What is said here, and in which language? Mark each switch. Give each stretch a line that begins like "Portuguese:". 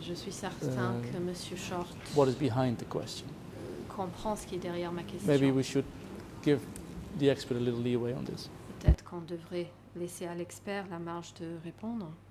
French: Je suis que Monsieur Short
English: what is behind the question.
French: Comprend ce qui est derrière ma question.
English: Maybe we should give the expert a little leeway on this.
French: Peut-être qu'on devrait laisser à l'expert la marge de répondre.